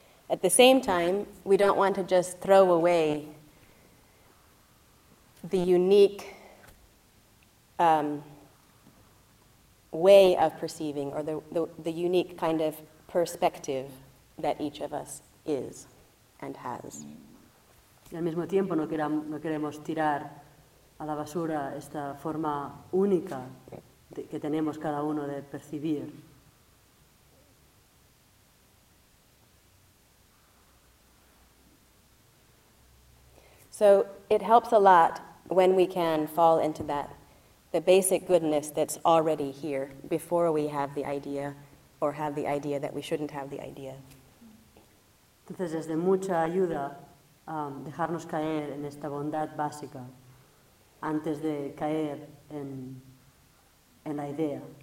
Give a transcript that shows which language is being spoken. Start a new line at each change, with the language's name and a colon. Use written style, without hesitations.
English: At the same time, we don't want to just throw away the unique way of perceiving or the unique kind of perspective that each of us is and has.
Spanish: Y al mismo tiempo no queremos tirar a la basura esta forma única que tenemos cada uno de percibir.
English: So it helps a lot when we can fall into that, the basic goodness that's already here before we have the idea or have the idea that we shouldn't have the idea.
Spanish: Entonces es de mucha ayuda dejarnos caer en esta bondad básica antes de caer en la idea.